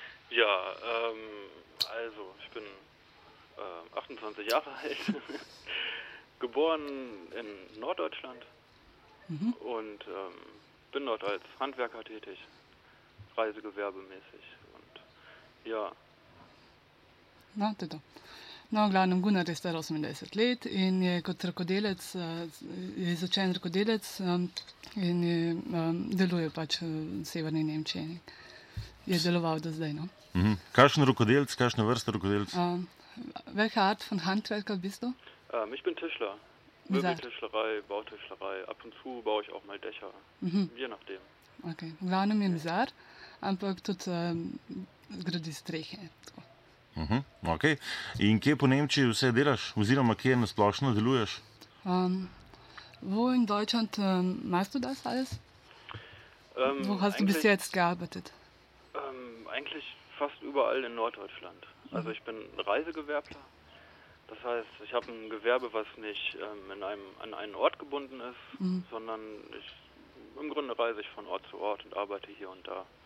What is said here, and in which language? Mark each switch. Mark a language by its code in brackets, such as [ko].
[de] Ja, also, ich bin 28 Jahre alt. Geboren in Norddeutschland und bin dort als Handwerker tätig, reisegewerbemäßig und ja. [sl] Na, tudo. No, glavnem, Gunnar je star 28 let in je kot rakodelec, je izučen rakodelec in je, deluje pač v severni Nemčiji. je deloval do zdaj. No? Mhm. Kakšen rokodelc, kakšna vrsta rokodelc? [de] Welche Art von Handwerker bist du? Ich bin Tischler. Möbeltischlerei, Bautischlerei. Ab und zu baue ich auch mal Dächer. Mhm. Je nachdem. [sl] Okay. Glavnem je mizar, ampak tudi gradi strehe. Okay. In kje po Nemčiji vse delaš? Oziroma kje na splošno deluješ? [de] Wo in Deutschland machst du das alles? Wo hast du bis jetzt gearbeitet? Eigentlich fast überall in Norddeutschland. Also ich bin Reisegewerbler. Das heißt, ich habe ein Gewerbe, was nicht an einen Ort gebunden ist, sondern ich im Grunde reise ich von Ort zu Ort und arbeite hier und da.